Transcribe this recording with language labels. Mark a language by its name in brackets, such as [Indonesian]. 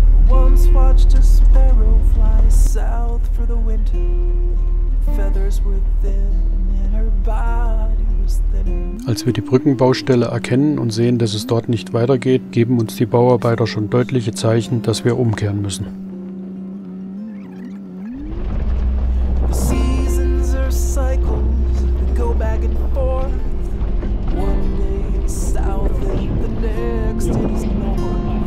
[English] Once watched a sparrow fly south for the winter. Feathers were thin and her body was thinner. [German] Als wir die Brückenbaustelle erkennen und sehen, dass es dort nicht weitergeht, geben uns die Bauarbeiter schon deutliche Zeichen, dass wir umkehren müssen. [English] The seasons are cycles that go back and forth. One day it's south and the next is north.